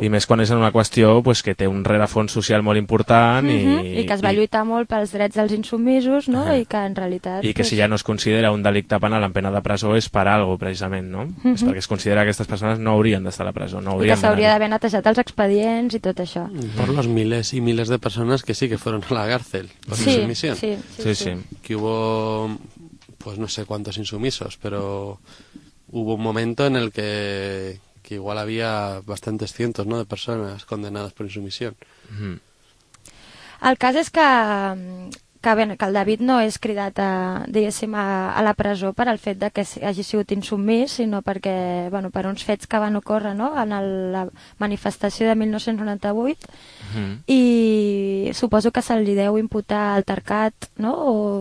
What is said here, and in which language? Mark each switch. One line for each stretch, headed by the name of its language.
Catalan: I més quan és en una qüestió pues, que té un rerefons social molt important. I que es va lluitar molt pels drets dels insubmisos, no? I que en realitat... I que si ja no es considera un delicte penal en pena de presó és per algo, precisament, no? És perquè es considera que aquestes persones no haurien d'estar a la presó. No I que s'hauria d'haver netejat els expedients i tot això.
Spanish: Per los miles y miles de persones que sí que fueron a la cárcel. Sí. Que hubo... Pues no sé cuántos insumisos, pero hubo un momento en el que igual había bastantes cientos, ¿no?, de personas condenadas por insumisión.
Catalan: El cas és que el David no és cridat a la presó per el fet de que hagi sigut insubmís, sinó perquè, bueno, per uns fets que van ocórrer, no?, en la manifestació de 1998. I suposo que se li deu imputar altercat, no?, o...